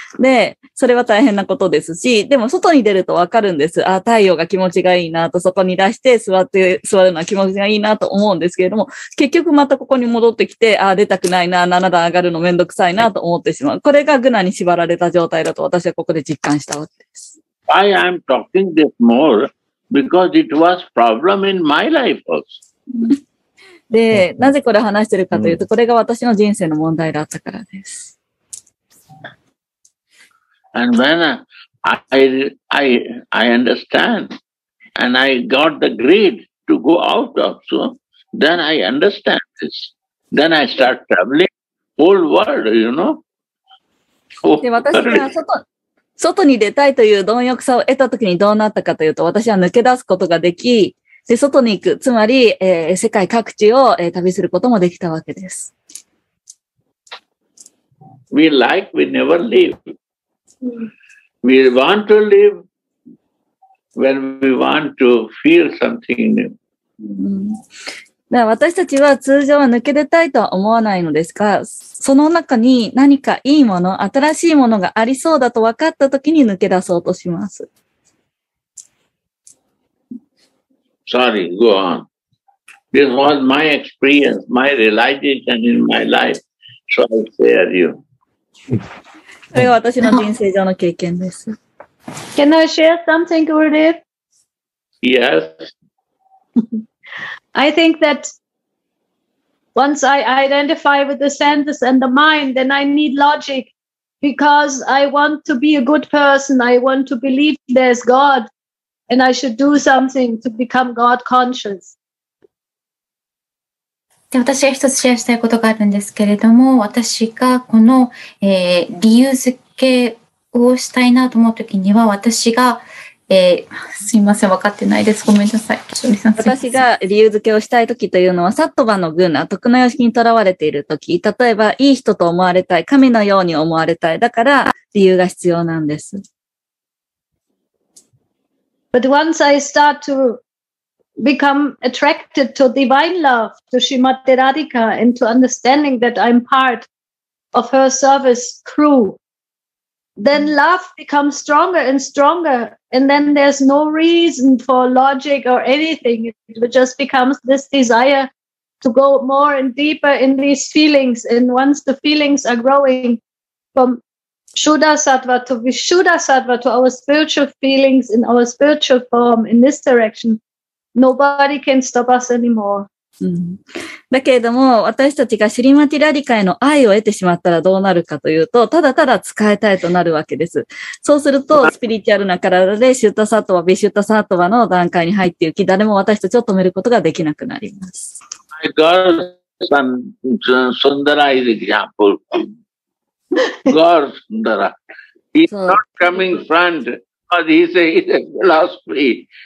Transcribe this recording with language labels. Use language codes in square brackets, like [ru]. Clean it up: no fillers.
[ja] で、それは大変なことですし、でも外に出るとわかるんです。あ、太陽が気持ちがいいなと、そこに出して座るのは気持ちがいいなと思うんですけれども、結局またここに戻ってきて、あ、出たくないな、7段上がるのめんどくさいなと思ってしまう。これがグナに縛られた状態だと私はここで実感したわけです。 [en] I am talking this more because it was problem in my life also. [ja] で、なぜこれ話してるかというと、これが私の人生の問題だったからです。 [en] And when I understand and I got the greed to go out also, then I understand this. Then I start traveling whole world, you know. [ja] で、私が外に出たいという貪欲さを得たときにどうなったかというと、私は抜け出すことができ、で、外に行く、つまり、世界各地を、旅することもできたわけです。 [en] We like, we never leave. We want to live when we want to feel something new. [ja] だから私たちは通常は抜け出たいとは思わないのですが、その中に何かいいもの、新しいものがありそうだと分かったときに抜け出そうとします。 [en] Sorry, go on. This was my experience, my realization in my life. So I share you. [ja] これが私の人生上の経験です。 [en] Can I share something, Gurudev? Yes. I think that once I identify with the senses and the mind, then I need logic because I want to be a good person. I want to believe there's God and I should do something to become God conscious. [ja] で私が一つシェアしたいことがあるんですけれども、私がこの、理由付けをしたいなと思うときには、私が、すいません、分かってないです。ごめんなさい。私が理由付けをしたいときというのは、サットバのグーナ、徳の様式にとらわれているとき、例えば、いい人と思われたい、神のように思われたい、だから、理由が必要なんです。 [en] But once I start to become attracted to divine love, to Srimati Radhika, and to understanding that I'm part of her service crew, then love becomes stronger and stronger, and then there's no reason for logic or anything. It just becomes this desire to go more and deeper in these feelings. And once the feelings are growing from Shuddha Sattva to Vishuddha Sattva to our spiritual feelings in our spiritual form in this direction, nobody can stop us anymore.、 [ja] だけれども私たちがシリマティラディカへの愛を得てしまったらどうなるかというと、ただただ使いたいとなるわけです。そうするとスピリチュアルな体でシュッタサトワビシュッタサトワの段階に入っていき、誰も私たちを止めることができなくなります。 [en] I got some Sundara's example. God, Sundara. He's not coming front because he says he's a philosophy.